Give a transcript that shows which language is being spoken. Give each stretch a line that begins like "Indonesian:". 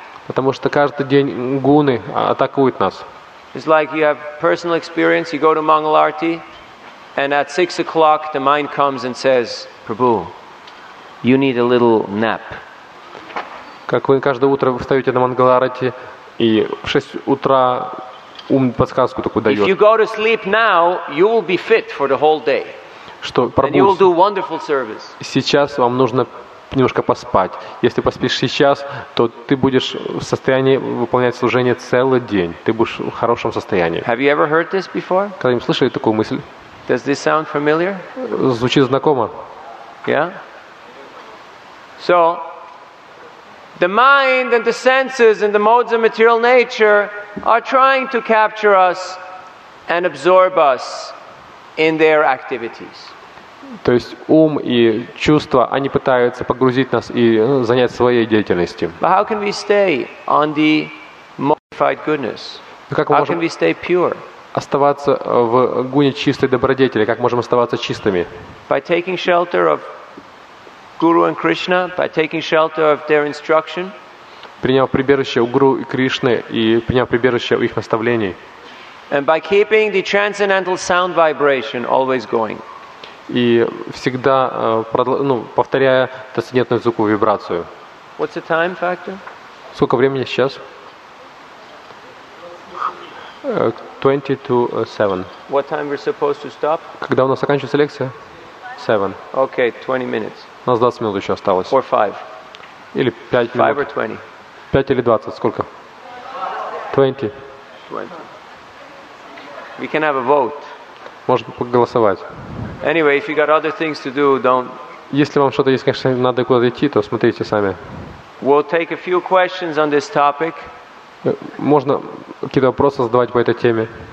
Russian: Потому что каждый день гуны атакуют нас.
English: It's like you have personal experience, you go to Mangal Arati, and at 6 o'clock the mind comes and says, Prabhu, you need a little nap.
Russian: Как вы каждое утро встаете на Мангал Арати, и в 6 утра ум подсказку такую дает.
English: If you go to sleep now, you will be fit for the whole day.
Russian: Что,
English: and you will do wonderful service.
Russian: Сейчас вам нужно немножко поспать. Если поспишь сейчас, то ты будешь в состоянии выполнять служение целый день. Ты будешь в хорошем состоянии.
English: Have you ever heard this before?
Russian: Когда-нибудь слышали такую мысль?
English: Does this sound familiar?
Russian: Звучит знакомо.
English: Yeah? So, the mind and the senses and the modes of material nature are trying to capture us and absorb us in their activities.
Russian: То есть ум и чувства, они пытаются погрузить нас и занять своей деятельностью.
English: But how can we stay on the sanctified goodness? How can we stay pure?
Russian: Оставаться в гуне чистой добродетели, как можем оставаться чистыми?
English: By taking shelter of Guru and Krishna, by taking shelter of their instruction.
Russian: Приняв прибежище у Гуру и Кришны и приняв прибежище у их наставлений.
English: And by keeping the transcendental sound vibration always going.
Russian: И всегда, повторяя трансцендентную звуковую вибрацию.
English: What's the time factor?
Russian: Сколько времени сейчас?
English: 7:20. What time we're supposed to stop?
Russian: Когда у нас заканчивается лекция? 7.
English: Okay, 20 minutes.
Russian: У нас 20 минут еще осталось.
English: Or 5.
Russian: Или 5 минут.
English: 5 or 20.
Russian: 5 или 20, сколько? 20.
English: 20. We can have a vote.
Russian: Можно поголосовать.
English: Anyway, if you got other things to do, don't.
Russian: Если вам что-то есть, конечно, надо куда-то идти, то смотрите сами.
English: We'll take a few questions on this topic.
Russian: Можно какие-то вопросы задавать по этой теме.